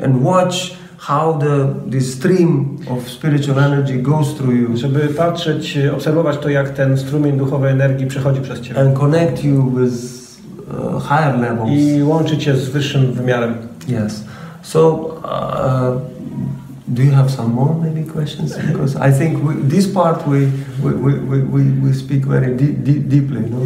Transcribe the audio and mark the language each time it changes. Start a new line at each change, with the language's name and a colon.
English: And watch how the stream of spiritual energy goes through you.
Polish: Żeby patrzeć, obserwować to, jak ten strumień duchowej energii przechodzi przez ciebie.
English: And connect you with higher levels.
Polish: I łączy cię z wyższym wymiarem.
English: Yes. So, do you have some more maybe questions? Because I think this part we speak very deeply, no?